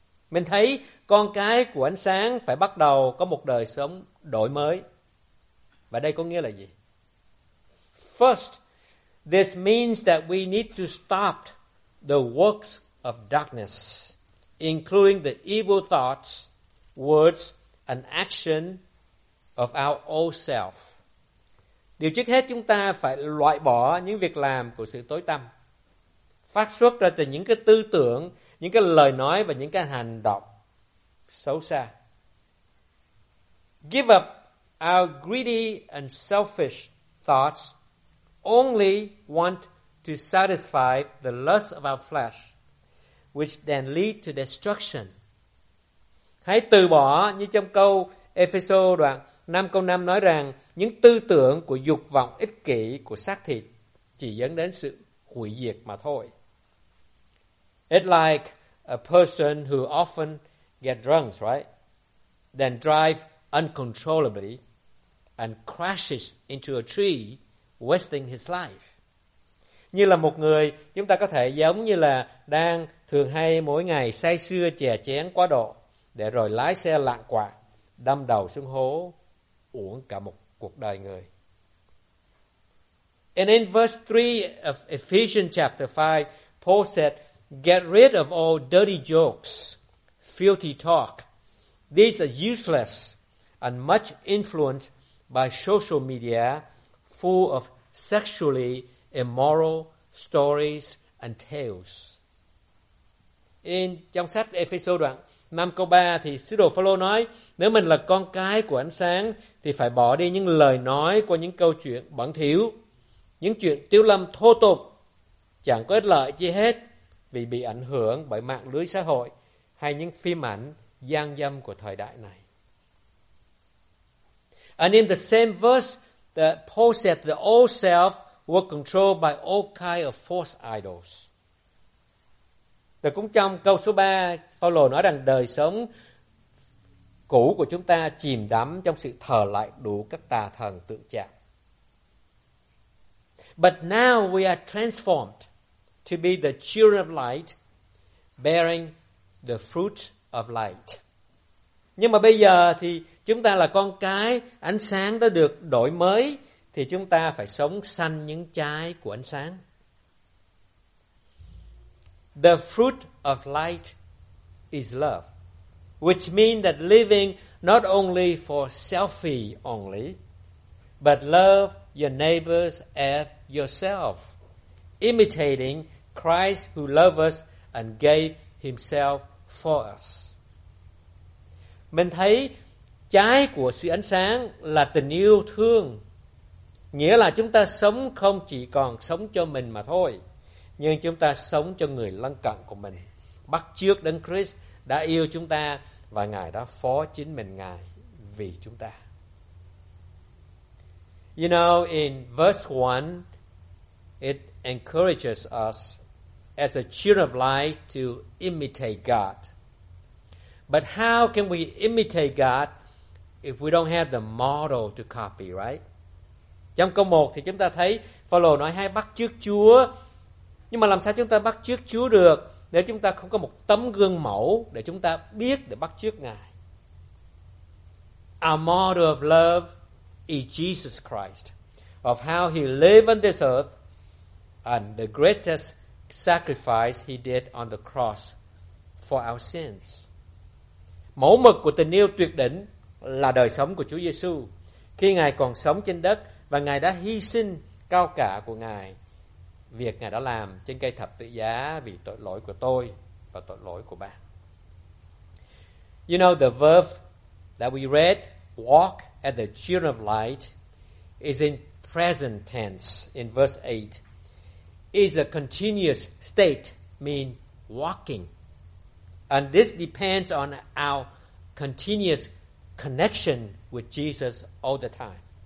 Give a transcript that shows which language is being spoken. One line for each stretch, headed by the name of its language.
Vietnamese: Mình thấy con cái của ánh sáng phải bắt đầu có một đời sống đổi mới. Và đây có nghĩa là gì?
English: First, this means that we need to stop the works of darkness, including the evil thoughts, words, and action of our old self.
Vietnamese: Điều trước hết chúng ta phải loại bỏ những việc làm của sự tối tăm, phát xuất ra từ những cái tư tưởng, những cái lời nói và những cái hành động xấu xa.
English: Give up our greedy and selfish thoughts, only want to satisfy the lust of our flesh, which then lead to destruction.
Vietnamese: Hãy từ bỏ, như trong câu Ephesos đoạn 5 câu 5 nói rằng, những tư tưởng của dục vọng ích kỷ của xác thịt chỉ dẫn đến sự hủy diệt mà thôi.
English: It's like a person who often get drunk, right, then drive uncontrollably and crashes into a tree, wasting his life.
Vietnamese: Như là một người, chúng ta có thể giống như là đang thường hay mỗi ngày say sưa chè chén quá độ, để rồi lái xe lạng quạng, đâm đầu xuống hố, uổng cả một cuộc đời người.
English: And in verse 3 of Ephesians chapter 5, Paul said, get rid of all dirty jokes, filthy talk. These are useless and much influenced by social media, full of sexually immoral stories and tales.
Vietnamese: In trong sách Ephesians đoạn 5 câu 3 thì sứ đồ Phaolô nói, nếu mình là con cái của ánh sáng thì phải bỏ đi những lời nói qua những câu chuyện bẩn thỉu, những chuyện tiêu lâm thô tục, chẳng có ích lợi chi hết vì bị ảnh hưởng bởi mạng lưới xã hội hay những phim ảnh gian dâm của thời đại này.
English: And in the same verse that Paul said the old self were controlled by all kind of false idols.
Vietnamese: Và cũng trong câu số 3, Phaolô nói rằng đời sống cũ của chúng ta chìm đắm trong sự thờ lại đủ các tà thần tượng trạng.
English: But now we are transformed to be the children of light, bearing the fruit of light.
Vietnamese: Nhưng mà bây giờ thì chúng ta là con cái, ánh sáng đã được đổi mới, thì chúng ta phải sống sanh những trái của ánh sáng.
English: The fruit of light is love, which means that living not only for selfie only, but love your neighbors as yourself, imitating Christ who loved us and gave himself for us.
Vietnamese: Mình thấy trái của sự ánh sáng là tình yêu thương, nghĩa là chúng ta sống không chỉ còn sống cho mình mà thôi, nhưng chúng ta sống cho người lân cận của mình, bắt chước đấng Christ đã yêu chúng ta và Ngài đã phó chính mình Ngài vì chúng ta.
English: You know, in verse 1, it encourages us as a children of light to imitate God. But how can we imitate God if we don't have the model to copy, right?
Vietnamese: Trong câu 1 thì chúng ta thấy Phaolô nói hay bắt chước Chúa. Nhưng mà làm sao chúng ta bắt chước Chúa được nếu chúng ta không có một tấm gương mẫu để chúng ta biết để bắt chước Ngài?
English: Our model of love is Jesus Christ, of how he lived on this earth and the greatest sacrifice he did on the cross for our sins.
Vietnamese: Mẫu mực của tình yêu tuyệt đỉnh là đời sống của Chúa Giêsu khi Ngài còn sống trên đất, và Ngài đã hy sinh cao cả của Ngài, việc Ngài đã làm trên cây thập tự giá vì tội lỗi của tôi và tội lỗi của bạn.
English: You know, the verb that we read, walk as the children of light, is in present tense in verse 8. Is a continuous state, mean walking. And this depends on our continuous connection with Jesus all the time.